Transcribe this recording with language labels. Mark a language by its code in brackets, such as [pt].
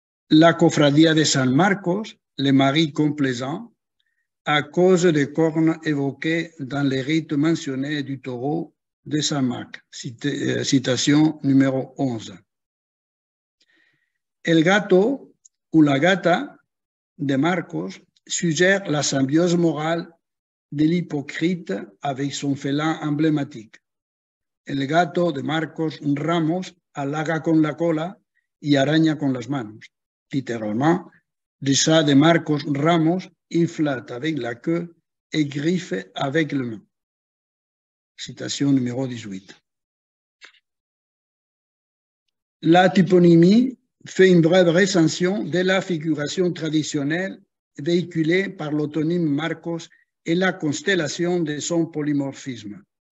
[fr] La cofradia de San Marcos, le mari complaisant, à cause des cornes évoquées dans les rites mentionnés du taureau de San Marc, citation numéro 11. El gato ou la gata de Marcos suggère la symbiose morale de l'hypocrite avec son félin emblématique. [es] El gato de Marcos Ramos halaga con la cola y araña con las manos. [fr] Littéralement, le chat de Marcos Ramos y flatte avec la queue et griffe avec le main. Citation numéro 18. La toponymie fait une brève recension de la figuration traditionnelle véhiculée par l'autonyme Marcos et la constellation de son polymorphisme.